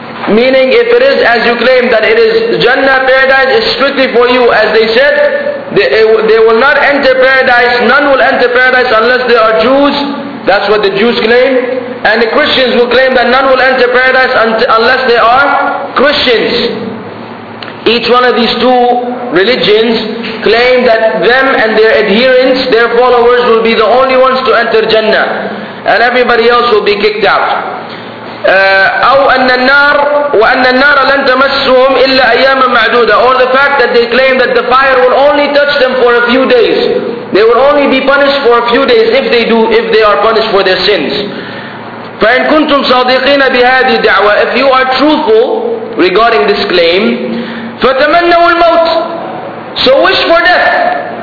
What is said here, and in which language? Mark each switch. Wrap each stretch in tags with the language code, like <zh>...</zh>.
<en>Meaning, if it is as you claim that it is Jannah, paradise is strictly for you, as they said, they will not enter paradise, none will enter paradise unless they are Jews, that's what the Jews claim, and the Christians will claim that none will enter paradise unless they are Christians. Each one of these two religions claim that them and their adherents, their followers, will be the only ones to enter Jannah, and everybody else will be kicked out.</en> <ar>أو أن النار وأن النار لن تمسهم إلا أياما معدودة.</ar> <en>Or the fact that they claim that the fire will only touch them for a few days, they will only be punished for a few days if they are punished for their sins.</en> <ar>فإن كنتم صادقين بهذه الدعوة,</ar> <en>if you are truthful regarding this claim,</en> <ar>فتمنوا الموت,</ar> <en>so wish for death.</en>